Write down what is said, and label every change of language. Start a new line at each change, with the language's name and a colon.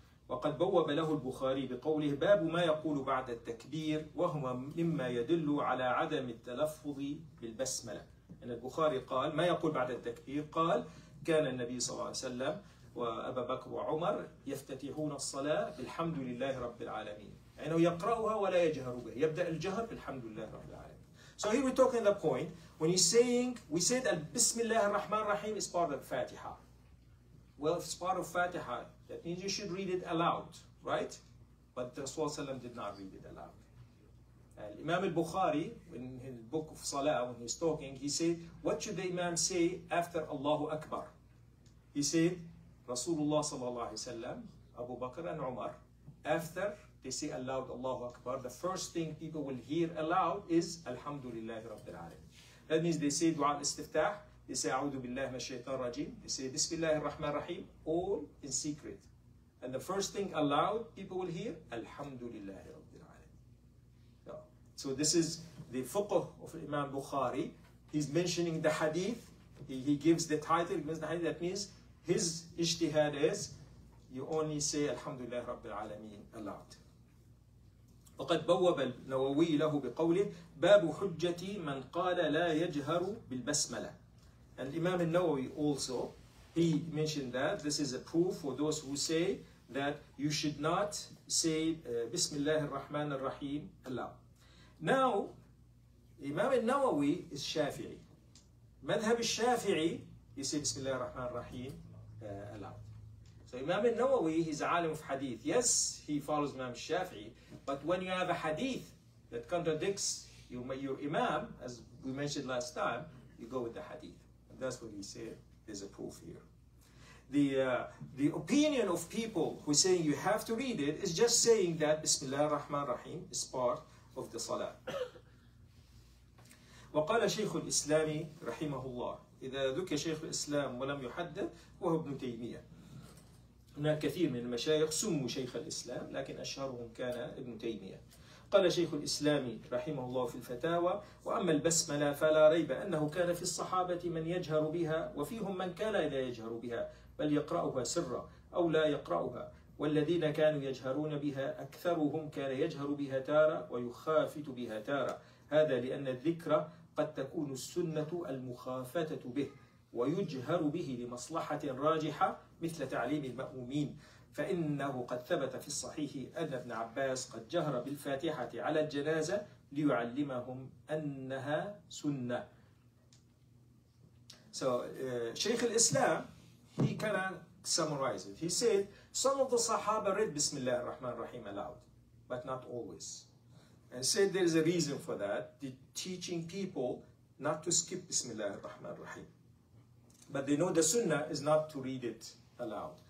Arabic: وقد بوب له البخاري بقوله باب ما يقول بعد التكبير، وهو مما يدل على عدم التلفظ بالبسملة. أن البخاري قال ما يقول بعد التكبير، قال كان النبي صلى الله عليه وسلم وأبا بكر وعمر يفتتحون الصلاة بالحمد لله رب العالمين. يعني يقرأها ولا يجهر بها. يبدأ الجهر بالحمد لله رب العالمين.
English: So here we're talking the point. When he's saying, we said that
Arabic: بسم الله الرحمن الرحيم
English: is part of Fatiha. Well, if it's part of Fatiha, that means you should read it aloud, right? But the Rasulullah did not read it aloud. Imam al-Bukhari, in his book of Salah, when he was talking, he said, what should the Imam say after Allahu Akbar? He said, Rasulullah sallallahu alayhi wa sallam, Abu Bakr and Umar, after they say aloud Allahu Akbar, the first thing people will hear aloud is
Arabic: Alhamdulillah Rabbil Alameen.
English: That means they say dua al-istiftah, they say
Arabic: A'udhu Billahi Minash Shaitan Rajeem,
English: they say
Arabic: Bismillahir Rahman Rahim,
English: all in secret. And the first thing aloud people will hear,
Arabic: Alhamdulillah Rabbil Alameen.
English: Yeah. So this is the fuqh of Imam Bukhari. He's mentioning the hadith, he gives the title, he means the hadith, that means his ijtihad is, you only say
Arabic: Alhamdulillah Rabbil Alameen
English: aloud.
Arabic: وقد بوب النووي له بقوله باب حجتي من قال لا يجهر بالبسملة.
English: And Imam al-Nawawi also, he mentioned that this is a proof for those who say that you should not say
Arabic: Bismillah ar-Rahman ar-Rahim Allah.
English: Now, Imam al-Nawawi is Shafi'i. Madhab al-Shafi'i, he say
Arabic: Bismillah ar-Rahman ar-Rahim Allah.
English: So Imam al-Nawawi, he's a alim of hadith. Yes, he follows Imam al-Shafi'i. But when you have a hadith that contradicts your imam, as we mentioned last time, you go with the hadith. And that's what he said. There's a proof here. The opinion of people who say you have to read it is just saying that
Arabic: Bismillah ar-Rahman ar-Rahim
English: is part of the salah.
Arabic: وقال شيخ الإسلام رحمه الله إذا ذكر شيخ الإسلام ولم يحدث وهو ابن تيمية. هناك كثير من المشايخ سموا شيخ الإسلام لكن أشهرهم كان ابن تيمية. قال شيخ الإسلام رحمه الله في الفتاوى وأما البسملة فلا ريب أنه كان في الصحابة من يجهر بها وفيهم من كان لا يجهر بها بل يقرأها سرا أو لا يقرأها والذين كانوا يجهرون بها أكثرهم كان يجهر بها تارة ويخافت بها تارة هذا لأن الذكر قد تكون السنة المخافتة به ويجهر به لمصلحة راجحة مثل تعليم المأمومين فإنه قد ثبت في الصحيح أن ابن عباس قد جهر بالفاتحة على الجنازة ليعلمهم أنها سنة.
English: So شيخ الإسلام he kind of summarized it. He said some of the صحابة read
Arabic: بسم الله الرحمن الرحيم
English: aloud but not always and said there is a reason for that, the teaching people not to skip بسم الله الرحمن الرحيم but they know the sunnah is not to read it aloud.